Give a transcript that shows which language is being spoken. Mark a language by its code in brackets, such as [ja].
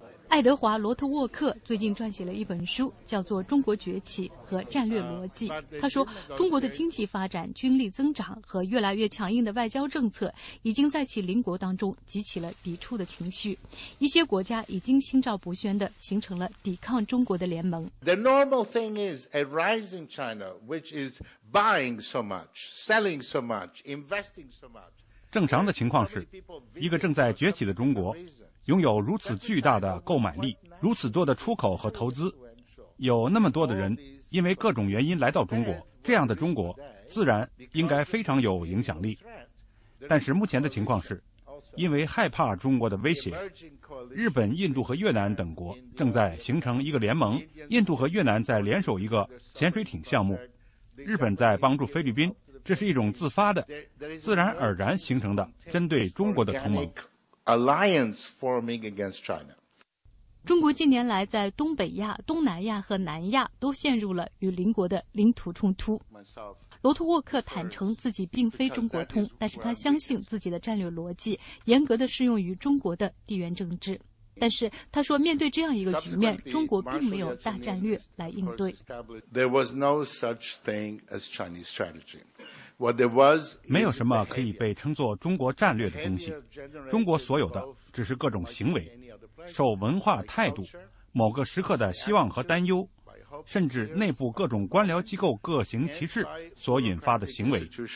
[zh] 爱德华·罗特沃克最近撰写了一本书，叫做《中国崛起和战略逻辑》。他说，中国的经济发展、军力增长和越来越强硬的外交政策已经在其邻国当中激起了抵触的情绪。一些国家已经心照不宣地形成了抵抗中国的联盟。 [en] The normal thing is a rising China, which is buying so much, selling so much, investing so much. [zh] 正常的情况是，一个正在崛起的中国拥有如此巨大的购买力，如此多的出口和投资，有那么多的人因为各种原因来到中国，这样的中国自然应该非常有影响力。但是目前的情况是，因为害怕中国的威胁，日本、印度和越南等国正在形成一个联盟，印度和越南在联手一个潜水艇项目，日本在帮助菲律宾，这是一种自发的、自然而然形成的针对中国的同盟。 [en] Alliance forming against China. [zh] 中国近年来在东北亚、东南亚和南亚都陷入了与邻国的领土冲突。罗特沃克坦诚自己并非中国通，但是他相信自己的战略逻辑严格地适用于中国的地缘政治。但是他说，面对这样一个局面，中国并没有大战略来应对。 [en] There was no such thing as Chinese strategy. What there was, [zh] 没有什么可以被称作中国战略的东西，中国所有的只是各种行为，受文化态度、某个时刻的希望和担忧，甚至内部各种官僚机构各行其事所引发的行为。